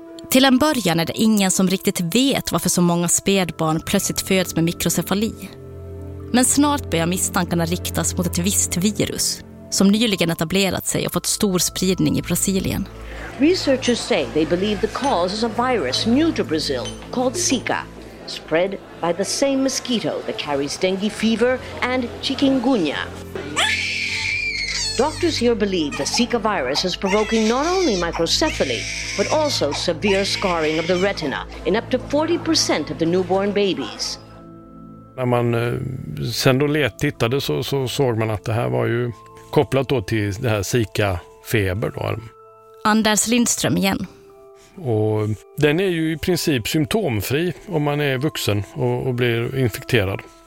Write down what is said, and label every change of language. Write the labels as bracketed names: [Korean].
[Swedish] Till en början är det ingen som riktigt vet varför så många spädbarn plötsligt föds med mikrocefali. Men snart börjar misstankarna riktas mot ett visst virus som nyligen etablerat sig och fått stor spridning i Brasilien. [English] Researchers say they believe the cause is a virus new to Brazil called Zika. Spread by the same mosquito that carries dengue fever and chikungunya. Doctors here believe the Zika virus is provoking not only microcephaly, but also severe scarring of the retina in up to 40% of the newborn babies. [Swedish] När man sen då tittade så såg man att det här var ju kopplat då till det här Zika-feber. Anders Lindström igen. Och den är ju i princip symptomfri om man är vuxen och blir infekterad.